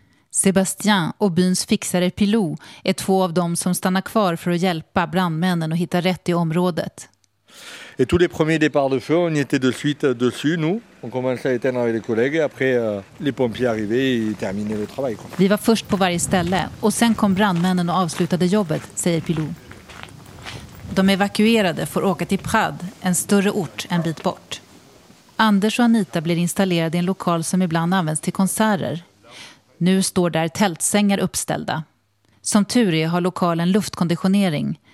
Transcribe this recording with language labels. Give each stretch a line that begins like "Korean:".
Swedish: Sébastien och byns fixare Pilou är två av dem som stannar kvar för att hjälpa brandmännen att hitta rätt i området.
French: Et tous les premiers départs de feu, on y était de suite dessus nous. On commençait à éteindre avec les collègues et après les pompiers arrivaient et terminaient le travail, quoi.
Swedish: Vi var först på varje ställe och sen kom brandmännen och avslutade jobbet, säger Pilou. De evakuerade får åka till Prad, en större ort en bit bort. Anders och Anita blir installerade i en lokal som ibland används till konserter. Nu står där tältsängar uppställda. Som tur är har lokalen luftkonditionering.